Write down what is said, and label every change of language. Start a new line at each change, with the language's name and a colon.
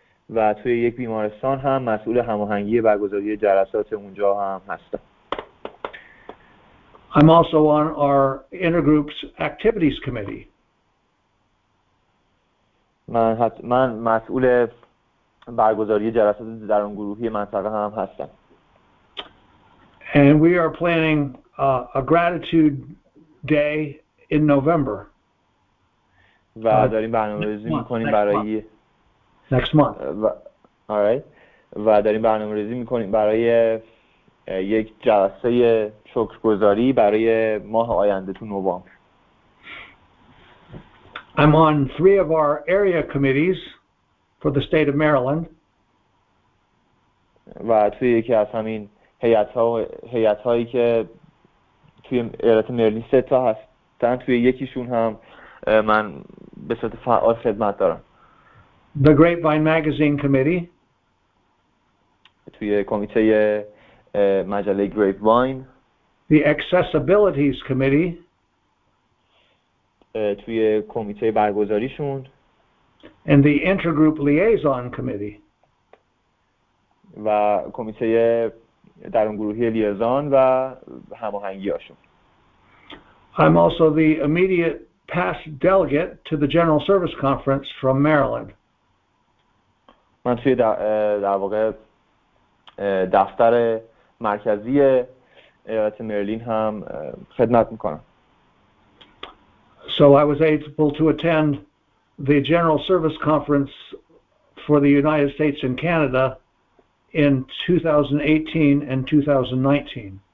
Persian: و توی یک بیمارستان هم مسئول هماهنگی برگزاری جلسات اونجا هم هستم.
English: I'm also on our intergroup's activities committee.
Persian: من مسئول برگزاری جلسات در اون گروهی منطقه هم هستم.
English: And we are planning a gratitude day in November.
Persian: و داریم برنامه‌ریزی می‌کنیم برای
English: next month. All right.
Persian: و داریم برنامه‌ریزی می‌کنیم برای یک جلسه شکرگزاری برای ماه آینده تو نوامبر.
English: I'm on 3 of our area committees for the state of Maryland.
Persian: و توی یکی از همین هیئت‌هایی که توی ایالت مریلند 3 تا هستن، توی یکیشون هم من به صورت فعال خدمت دارم.
English: The Grapevine Magazine Committee.
Persian: توی کمیته مجله Grapevine.
English: The Accessibilities Committee.
Persian: توی کمیته برگزاریشون.
English: And the Intergroup Liaison Committee.
Persian: و کمیته در اون گروهی لیازان و هماهنگی هاشون.
English: I'm also the immediate past delegate to the General Service Conference from Maryland.
Persian: من توی در واقع دفتر مرکزی ایالت مریلند هم خدمت میکنم.
English: So I was able to attend the General Service Conference for the United States and Canada in 2018 and 2019.